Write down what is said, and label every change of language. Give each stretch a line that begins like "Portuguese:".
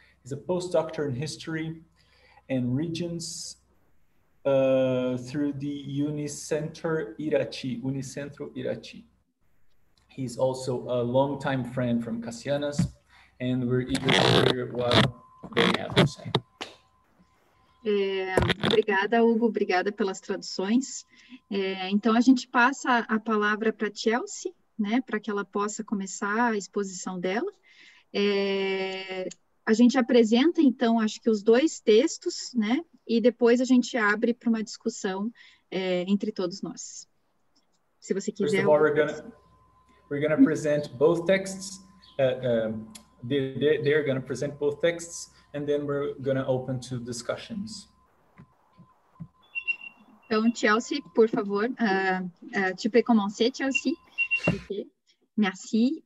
English: He's a postdoctor in history and regions through the Unicenter Irachi, Unicentro Irachi. He's also a longtime friend from Cassianas. And we're eager to hear what they have to say.
Portuguese: É, obrigada, Hugo. Obrigada pelas traduções. É, então, a gente passa a palavra para a Chelsea, né, para que ela possa começar a exposição dela. É, a gente apresenta, então, acho que os dois textos, né, e depois a gente abre para uma discussão entre todos nós. Se você quiser...
English: First of all, we're gonna present both texts. They're going to present both texts, and then we're going to open to discussions.
Portuguese: Então, Chelsea, por favor,
French: tu peux commencer,
Portuguese: Chelsea. Okay.
French: Merci.